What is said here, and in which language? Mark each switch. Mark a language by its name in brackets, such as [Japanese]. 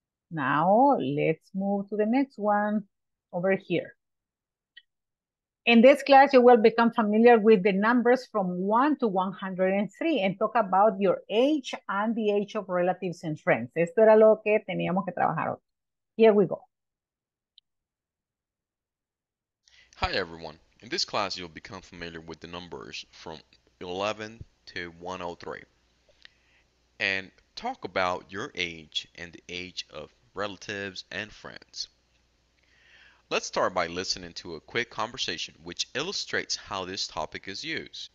[English] Now, let's move to the next one over here. In this class, you will become familiar with the numbers from 1 to 103 and talk about your age and the age of relatives and friends. [Spanish] Esto era lo que teníamos que trabajar hoy. [English] Here we go. Hi, everyone. In this class, you'll become familiar with the numbers from 11 to 103 and talk about your age and the age of relatives and friends. Let's start by listening to a quick conversation which illustrates how this topic is used.